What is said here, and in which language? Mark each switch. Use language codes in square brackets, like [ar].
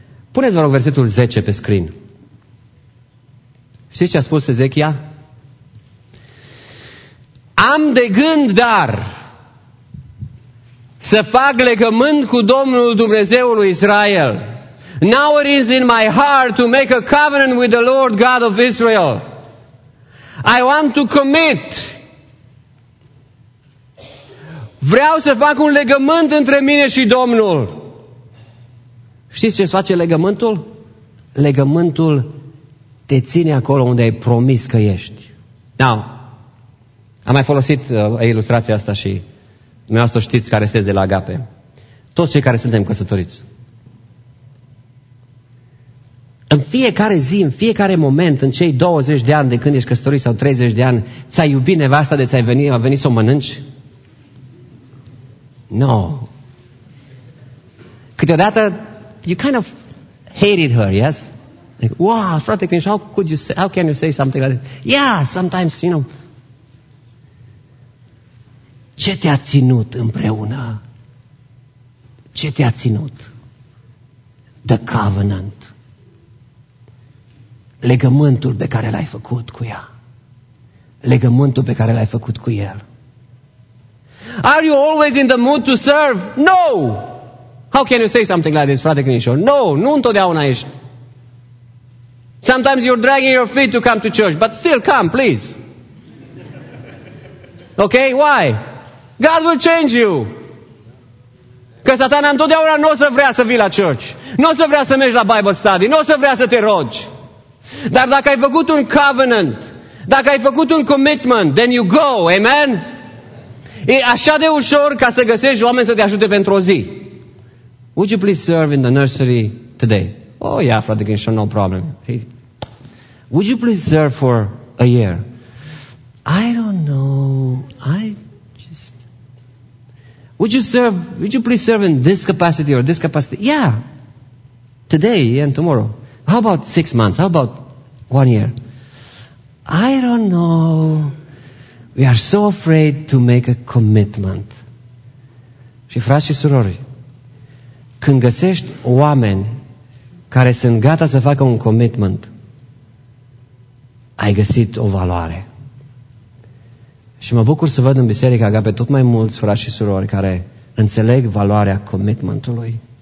[ro] Puneți, vă rog, versetul 10 pe screen. Știți ce a spus Ezechia? Am de gând, dar să fac legământ cu Domnul Dumnezeul lui Israel. [en] Now it is in my heart to make a covenant with the Lord God of Israel. I want to commit. [ro] Vreau să fac un legământ între mine și Domnul. Știți ce face legământul? Legământul te ține acolo unde ai promis că ești. Now, am mai folosit ilustrația asta și dumneavoastră știți care sunteți de la Agape. Toți cei care suntem căsătoriți. În fiecare zi, în fiecare moment, în cei 20 de ani de când ești căsătorit sau 30 de ani, ți-ai iubit nevasta de ți-ai venit, a venit să o mănânci? [en] No. [ro] Câteodată, [en] you kind of hated her, yes? Like, wow, frate, how can you say something like that? Yeah, sometimes, you know. [ro] Ce te-a ținut împreună? Ce te-a ținut? [en] The covenant. [ro] Legământul pe care l-ai făcut cu ea. Legământul pe care l-ai făcut cu el. [en] Are you always in the mood to serve? No! How can you say something like this, frate Crișor? [ro] No, nu întotdeauna ești. [en] Sometimes you're dragging your feet to come to church, but still come, please. Okay, why? God will change you. [ro] Că satana întotdeauna nu o să vrea să vii la church. Nu o să vrea să mergi la Bible study. Nu o să vrea să te rogi. Dar dacă ai făcut un covenant, dacă ai făcut un commitment, [en] then you go. [ro] Amen? E așa de ușor ca să găsești oameni să te ajute pentru o zi. [en] Would you please serve in the nursery today? Oh, yeah, frate Gershon, no problem. Would you please serve for a year? I don't know. Would you please serve in this capacity or this capacity? Yeah. Today and tomorrow. How about 6 months? How about 1 year? I don't know. We are so afraid to make a commitment. [ro] Și frați și surori, când găsești oameni care sunt gata să facă un commitment, ai găsit o valoare. Și mă bucur să văd în biserica Agape tot mai mulți frați și surori care înțeleg valoarea commitmentului.